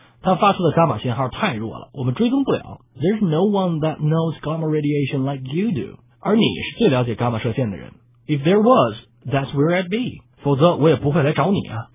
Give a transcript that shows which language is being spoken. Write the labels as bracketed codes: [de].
[zh] 它发出的伽马信号太弱了，我们追踪不了。 [en] There's no one that knows gamma radiation like you do. [zh] 而你是最了解伽马射线的人。 [en] If there was, that's where I'd be. [zh] 否则我也不会来找你啊。